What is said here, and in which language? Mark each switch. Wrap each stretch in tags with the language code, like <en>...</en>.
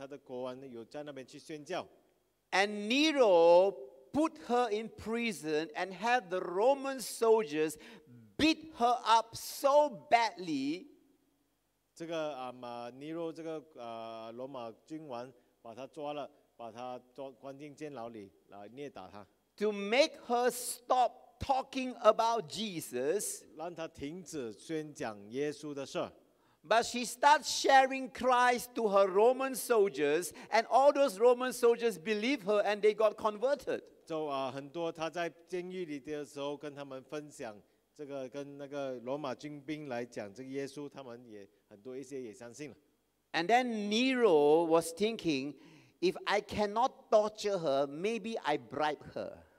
<zh>这个早期的书信还有记载说，这个我听你也有到这个罗马帝国那边去，尼罗那个他的国王有在那边去宣教。</zh> <en>And Nero put her in prison and had the Roman soldiers beat her up so badly.</en> <zh>这个尼罗这个罗马君王把他抓了，把他关进监牢里来虐打他。</zh> <en>To make her stop talking about Jesus.</en> <zh>让他停止宣讲耶稣的事。</zh> <en>But she starts sharing Christ to her Roman soldiers, and all those Roman soldiers believe her, and they got converted. So,</en> <zh>很多他在监狱里的时候跟他们分享这个跟那个罗马军兵来讲这个耶稣，他们也很多一些也相信了。</zh> <en>And then Nero was thinking, if I cannot torture her, maybe I bribe her.</en>